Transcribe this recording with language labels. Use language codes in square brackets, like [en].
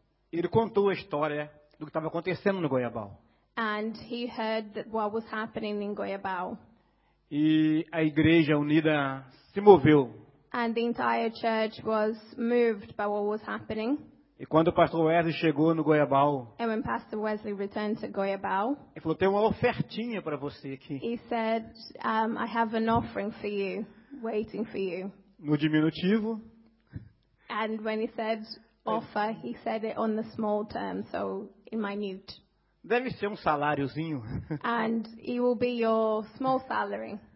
[pt] Ele contou a história do que estava acontecendo no Goiabal. [en] And he heard what was happening in Goiabal. [pt] E a igreja unida se moveu. [en] And the entire church was moved by what was happening. [pt] E quando o pastor Wesley chegou no Goiabal, [en] and when Pastor Wesley returned to Goiabal, [pt] ele falou, tem uma ofertinha para você aqui. [en] He said, I have an offering for you, waiting for you. [pt] No diminutivo. [en] And when he said offer, he said it on the small term, so in minute. [pt] Deve ser um saláriozinho. [en] And it will be your small salary.